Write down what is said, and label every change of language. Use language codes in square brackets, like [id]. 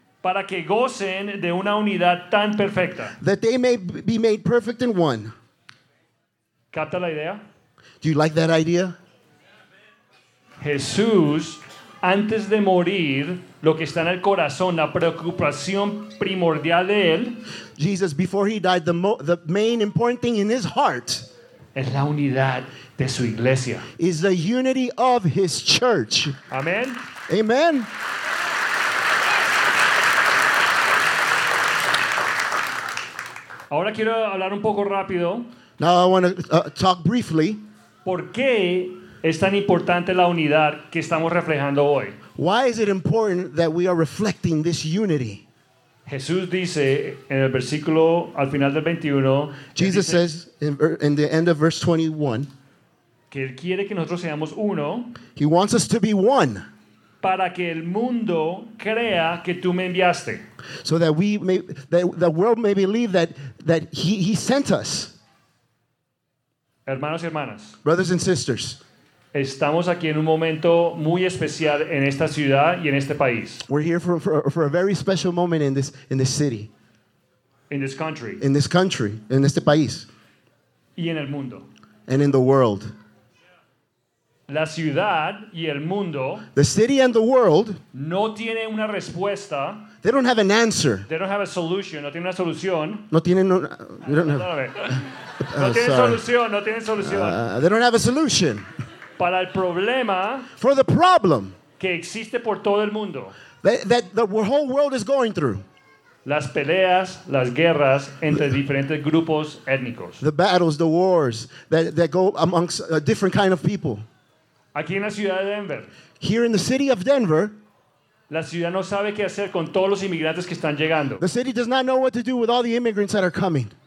[es] Para que gocen de una unidad tan perfecta. [en] That they may be made perfect in one. [es] ¿Capta la idea? [en] Do you like that idea? [es] Jesús, antes de morir, lo que está en el corazón, la preocupación primordial de él. [en] Jesus, before he died, the main important thing in his heart. [es] Es la unidad de su iglesia. [en] Is the unity of his church. Amen. Amen. [es] Ahora quiero hablar un poco rápido. [en] Now I want to talk briefly. [es] ¿Por qué es tan importante la unidad que estamos reflejando hoy? [en] Why is it important that we are reflecting this unity? [es] Jesús dice en el versículo al final del 21. [en] Jesus [es] dice, [en] says in the end of verse 21. [es] Que él quiere que nosotros seamos uno. [en] He wants us to be one. [es] Para que el mundo crea que tú me enviaste. [en] So that we may, that the world may believe that he sent us. [es] Hermanos y hermanas. [en] Brothers and sisters. [es] Estamos aquí en un momento muy especial en esta ciudad y en este país. [en] We're here for a very special moment in this city. In this country. In this country, [es] en este país. Y en el mundo. [en] And in the world. [es] La ciudad y el mundo, [en] the city and the world, [es] no tiene una respuesta. [en] They don't have an answer. They don't have a solution. [es] No tienen una solución. No tienen. [en] You don't have. [es] No tienen solución. [en] They don't have a solution. [es] Para el problema. [en] For the problem. [es] Que existe por todo el mundo. [en] That the whole world is going through. [es] Las peleas, las guerras entre diferentes grupos étnicos. [en] The battles, the wars that go amongst a different kind of people. [es] Aquí en la ciudad de Denver. [en] Here in the city of Denver. [es] La ciudad no sabe qué hacer con todos los inmigrantes que están llegando. [en] The city does not know what to do with all the immigrants that are coming.